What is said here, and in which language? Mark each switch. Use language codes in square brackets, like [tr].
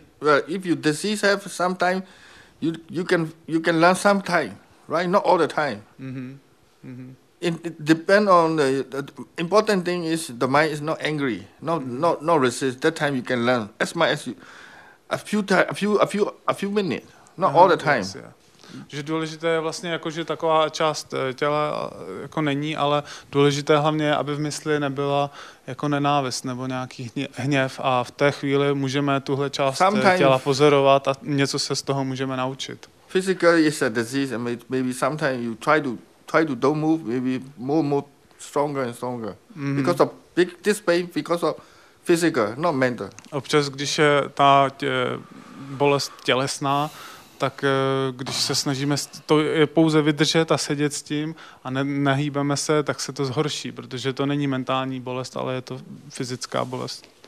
[en] Well, if you disease have some time, you can learn some time, right? Not all the time. Mm-hmm. Mm-hmm. It depends on the important thing is the mind is not angry, not resist. That time you can learn as much as you, a few minutes, not all the time. Yes, yeah. [cs] Že důležité je vlastně jako, že taková část těla jako není, ale důležité hlavně, aby v mysli nebyla jako nenávist nebo nějaký hněv a v té chvíli můžeme tuhle část [en] sometimes [cs] těla pozorovat a něco se z toho můžeme naučit. [en] Physically is a disease and maybe sometimes you try to don't move, maybe more stronger and stronger. Mm-hmm. Because of big this pain, because of physical, not mental. [cs] Občas, když je ta bolest tělesná, tak když se snažíme to je pouze vydržet a sedět s tím a nehýbeme se, tak se to zhorší, protože to není mentální bolest, ale je to fyzická bolest.